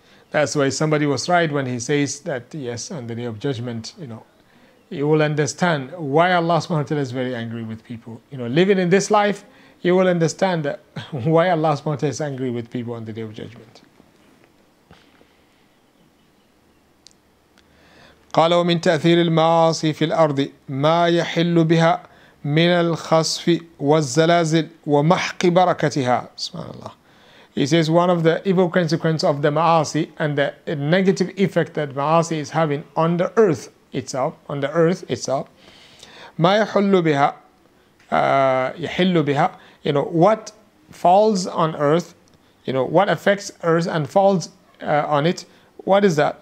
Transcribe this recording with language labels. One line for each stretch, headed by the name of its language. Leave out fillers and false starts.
English: That's why somebody was right when he says that, yes, on the day of judgment, you will understand why Allah subhanahu wa ta'ala is very angry with people. Living in this life, you will understand why Allah subhanahu wa ta'ala is angry with people on the day of judgment.
Arabic: قال ومن تأثير المعاصي في الأرض ما يحل بها من الخصف والزلازل ومحق بركتها. سبحان الله.
English: He says one of the evil consequences of the ma'asi and the negative effect that ma'asi is having on the earth itself,
Arabic: ما يحل بها,
English: what falls on earth, what affects earth and falls on it, what is that?